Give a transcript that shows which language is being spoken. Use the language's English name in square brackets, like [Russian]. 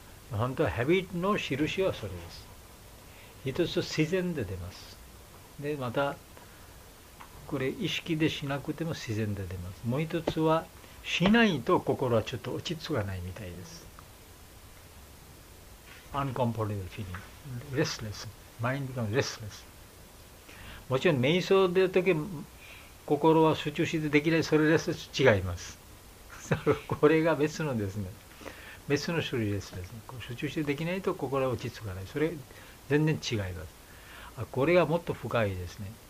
[Japanese] 本当はハビットの印はそれです。一つ自然で出ます。で、また、これ意識でしなくても自然で出ます。もう一つは、しないと心はちょっと落ち着かないみたいです。 [English] uncomfortable feeling, restless, mind becomes restless. [Japanese] もちろん、瞑想でるとき、心は集中してできない、それです、違います。これが別のですね、別の種類です、ね。集中してできないと心は落ち着かない。それ全然違います。これがもっと深いですね。